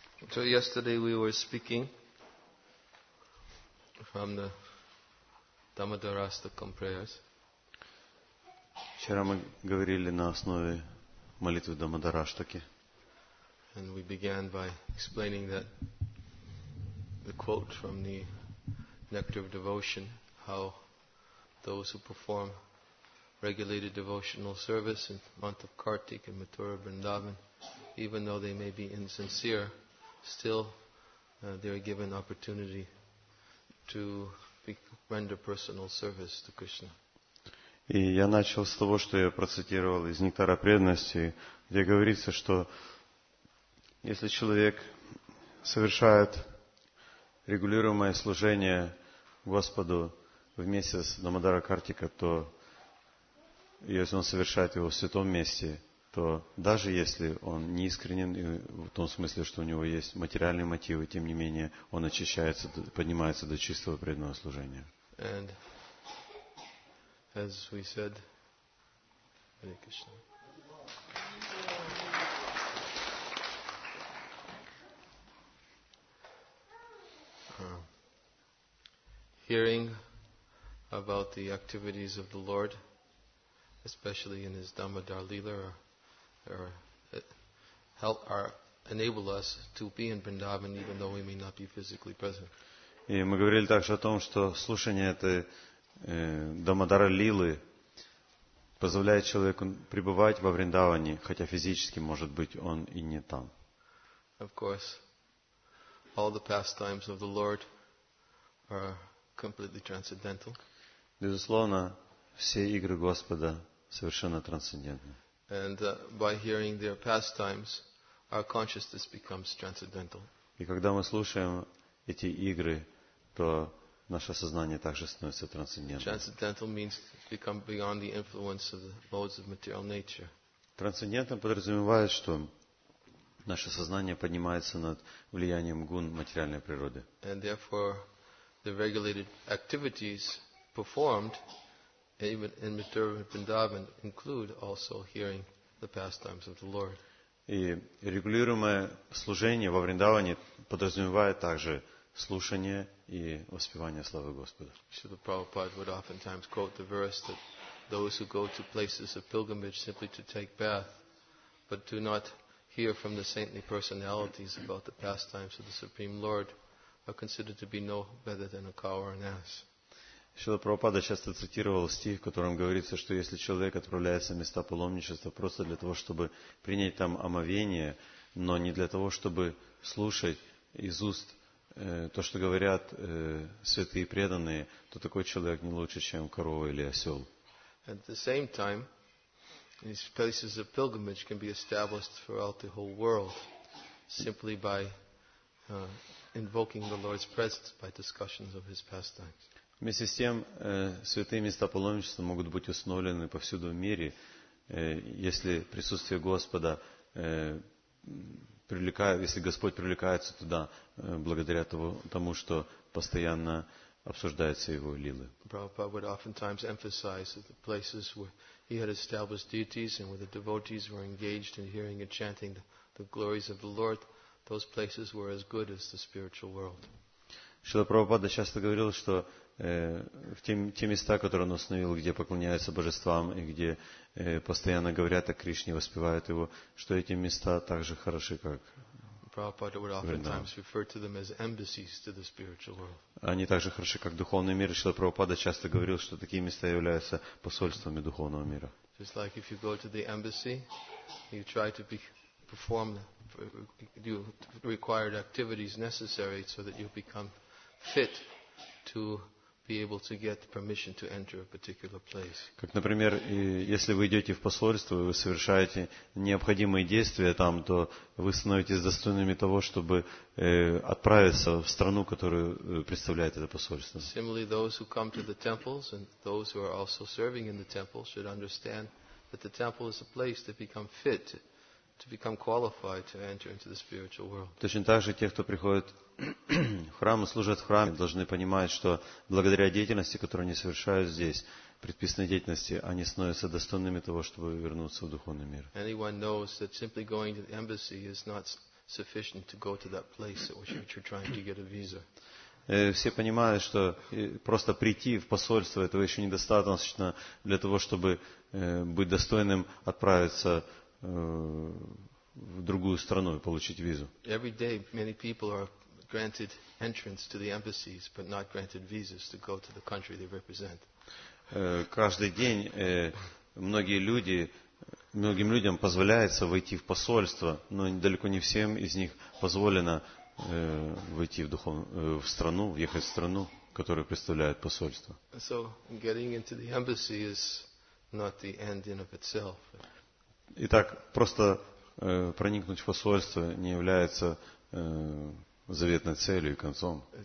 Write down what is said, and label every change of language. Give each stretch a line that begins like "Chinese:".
English: So yesterday we were speaking from the Dhammadharashtakam prayers.
Russian: Вчера мы говорили на основе молитвы Дамодараштаки.
English: And we began by explaining that the quote from the Nectar of Devotion, how those who perform regulated devotional service in the month of Kartik and Mathura Vrindavan, even though they may be insincere, Still, they are given opportunity to render personal service to Krishna.
Russian: И я начал с того, что я процитировал из Нектара преданности, где говорится, что если человек совершает регулируемое служение Господу в месяц Дамодара Картика, то если он совершает его в святом месте, то даже если он не искренен в том смысле, что у него есть материальные мотивы, тем не менее он очищается, поднимается до чистого преданного служения.
English: And as we said, Hare Krishna. Hearing about the activities of the Lord, especially in his Damodar Lila, or help or enable us to be in Vrindavan even though we may not be physically present.
Russian: И мы говорили также о том, что слушание этой Дамодара Лилы позволяет человеку пребывать во Вриндаване, хотя физически, может быть, он и не там.
English: Of course, all the pastimes of the Lord are completely transcendental.
Russian: Безусловно, все игры Господа совершенно трансцендентны.
English: And by hearing their pastimes, our consciousness becomes transcendental.
Russian: И когда мы слушаем эти игры, то наше сознание также становится трансцендентным.
English: Transcendental means become beyond the influence of the modes of material nature.
Russian: Трансцендентным подразумевает, что наше сознание поднимается над влиянием гун материальной природы.
English: And therefore, the regulated activities performed even in Mathura Vrindavan include also hearing the pastimes of the Lord.
Russian: И регулируемое служение во Вриндаване подразумевает также слушание и воспевание славы Господа.
English: Śrīla Prabhupāda would oftentimes quote the verse that those who go to places of pilgrimage simply to take bath, but do not hear from the saintly personalities about the pastimes of the Supreme Lord, are considered to be no better than a cow or an ass.
Russian: Шрила Прабхупада часто цитировал стих, в котором говорится, что если человек отправляется в места паломничества просто для того, чтобы принять там омовение, но не для того, чтобы слушать из уст то, что говорят святые преданные, то такой человек не лучше, чем корова или осел.
English: At the same time, these places of pilgrimage can be established throughout the whole world simply by invoking the Lord's presence by discussions of his pastimes.
Russian: Вместе с тем, святые места паломничества могут быть установлены повсюду в мире, если присутствие Господа привлекает, если Господь привлекается туда благодаря тому, что постоянно обсуждаются его лилы.
English: Prabhupada would oftentimes emphasize that the places where he had established deities and where the devotees were engaged in hearing and chanting the glories of the Lord, those places were as good as the spiritual world.
Russian: Шрила Прабхупада часто говорил, что в те места, которые он установил, где поклоняются божествам и где постоянно говорят о Кришне, воспевают его, что эти места так же хороши, как они так же хороши, как духовный мир. Шрила Прабхупада часто говорил, что такие места являются посольствами духовного мира.
English: Just like if you go to the embassy, you try to perform the required activities necessary so that you become fit to be able to get permission to enter a particular place.
Russian: Как, например, если вы идете в посольство, вы совершаете необходимые действия там, то вы становитесь достойными того, чтобы отправиться в страну, которую представляет это посольство.
English: Similarly, those who come to the temples and those who are also serving in the temple should understand that the temple is a place to become fit, to become qualified to enter into the spiritual world.
Russian: Точно так же те, кто приходит в храм и служат в храме, должны понимать, что благодаря деятельности, которую они совершают здесь, предписанной деятельности, они становятся достойными того, чтобы вернуться в духовный мир.
English: Anyone knows that simply going to the embassy is not sufficient to go to that place at which you're trying to get a visa.
Russian: Все понимают, что просто прийти в посольство этого еще недостаточно для того, чтобы быть достойным отправиться в другую страну и получить визу.
English: Every day many people are granted entrance to the embassies, but not granted visas to go to the country they represent.
Russian: Каждый день многим людям позволяется войти в посольство, но далеко не всем из них позволено войти в страну, въехать в страну, которую представляет посольство.
English: So getting into the embassy is not the end in of itself.
Russian: Итак, просто проникнуть в посольство не является заветной целью и концом.